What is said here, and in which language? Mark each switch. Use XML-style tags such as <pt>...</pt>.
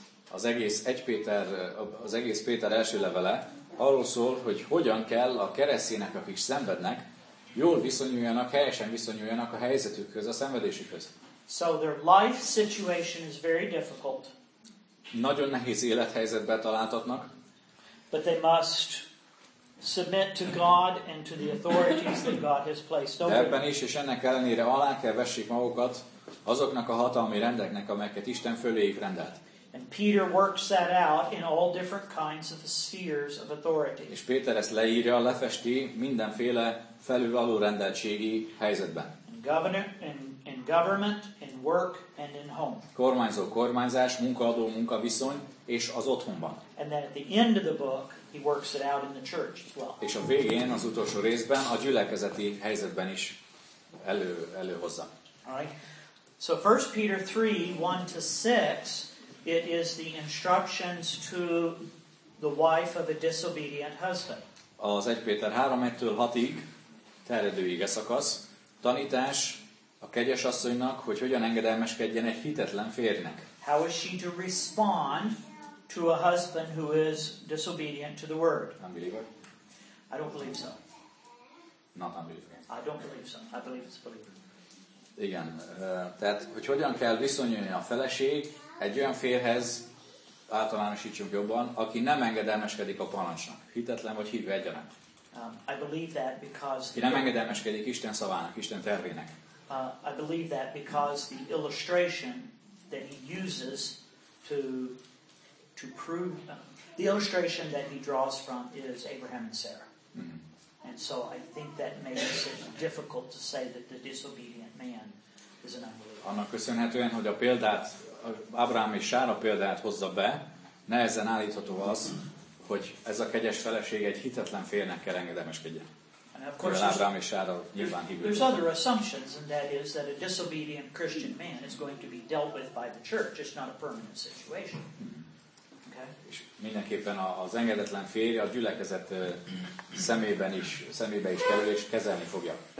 <hu>Az egész 1 Péter, az egész Péter első levele arról szól, hogy hogyan kell a keresztények, akik szenvednek, jól viszonyuljanak, helyesen viszonyuljanak a helyzetükhöz, a szenvedésükhöz.</hu> <en>So their life situation is very difficult.</en> <hu>Nagyon nehéz élethelyzetbe találtatnak.</hu> <en>But they must submit to God and to the authorities that God has placed over them.</en> <hu>Ebben is, és ennek ellenére alá kell vessék magukat azoknak a hatalmi rendeknek, amelyeket Isten föléjük rendelt.</hu> <en>And Peter works that out in all different kinds of the spheres of authority.</en> <hu>És Péter ezt leírja, lefesti mindenféle felül alul rendeltségi helyzetben.</hu> <en>In government, in work, and in home.</en> <hu>Kormányzó kormányzás, munkaadó munkaviszony és az otthonban.</hu> <en>And then at the end of the book, he works it out in the church as well.</en> <hu>És a végén, az utolsó részben, a gyülekezeti helyzetben is előhozza.</hu> <en>All right. So 1 Peter 3, 1 to 6, it is the instructions to the wife of a disobedient husband.</en> <hu>Az 1 Péter 3, 1-től 6-ig terjedő ige szakasz, tanítás a kegyes asszonynak, hogy hogyan engedelmeskedjen egy hitetlen férjnek.</hu> <en>How is she to respond to a husband who is disobedient to the word? Unbeliever. I don't believe so. Not unbeliever. I don't believe so. I believe it's believer.</en> <hu>Igen, tehát hogy hogyan kell viszonyulni a feleség egy olyan férhez, általánosítsunk jobban, aki nem engedelmeskedik a parancsnak, hitetlen vagy hívő egyaránt.</hu> <en>I believe that because</en> <hu>ki nem engedelmeskedik Isten szavának, Isten tervének.</hu> <en>I believe that because the illustration that he uses to prove the illustration that he draws from is Abraham and Sarah. And so I think that makes it difficult to say that the disobedient man is an unbeliever.</en> <hu>Annak köszönhetően, hogy a példát, Ábrahám és Sára példát hozza be, nehezen állítható az, hogy ez a kegyes feleség egy hitetlen férjnek kell engedelmeskedjen. Ábrahám és Sára nyilván hívő.</hu> <en>There's other assumptions, and that is that a disobedient Christian man is going to be dealt with by the church. It's not a permanent situation.</en> <hu>És mindenképpen az engedetlen férje a gyülekezet szemében is, szemébe is kerül és kezelni fogja.</hu>